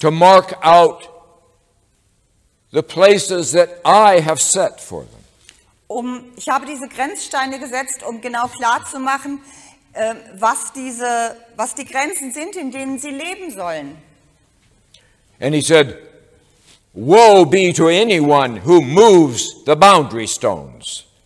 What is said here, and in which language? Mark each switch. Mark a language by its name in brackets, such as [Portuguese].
[English] To mark out the places that I have set for them. [German] Ich habe diese Grenzsteine gesetzt, um genau klar zu machen, was die Grenzen sind, in denen sie leben sollen. [English] And he said, woe be to anyone who moves the boundary stones.